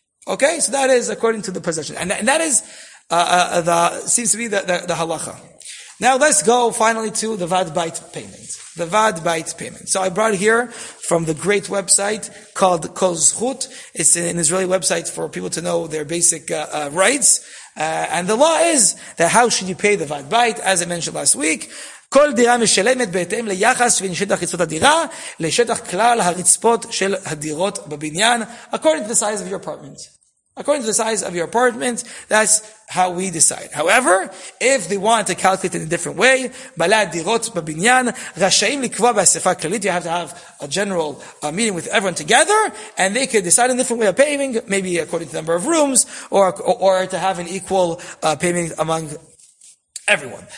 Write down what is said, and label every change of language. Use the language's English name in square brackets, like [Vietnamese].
[English] Okay, so that is according to the possession, and that is the halacha. Now let's go finally to the Vad Bait payment. The Vad Bait payment. So I brought here from the great website called Kol Zchut. It's an Israeli website for people to know their basic rights. And the law is that how should you pay the Vad Bait? [Hebrew] As I mentioned last week, כל דירה משלמת בהתאם ליחס בין שטח רצפות הדירה לשטח כלל הרצפות של הדירות בבניין. [English] According to the size of your apartment. According to the size of your apartment, that's how we decide. However, if they want to calculate in a different way, [Hebrew] בעלי הדירות בבניין רשאים לקבוע באספה כללית, [English] you have to have a general meeting with everyone together, and they could decide in a different way of paying, maybe according to the number of rooms, or to have an equal payment among everyone.